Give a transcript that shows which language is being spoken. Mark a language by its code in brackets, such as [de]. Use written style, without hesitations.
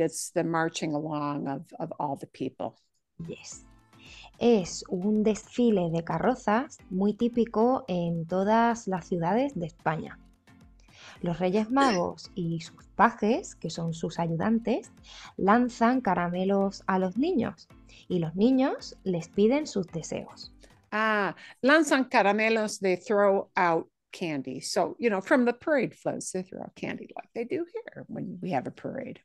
[en] It's the marching along of all the people. Yes. [es] Es un desfile de carrozas muy típico en todas las ciudades de España. Los Reyes Magos y sus pajes, que son sus ayudantes, lanzan caramelos a los niños y los niños les piden sus deseos. [en] Ah, [es] lanzan caramelos, [en] they throw out candy. So, you know, from the parade floats, they throw out candy like they do here when we have a parade.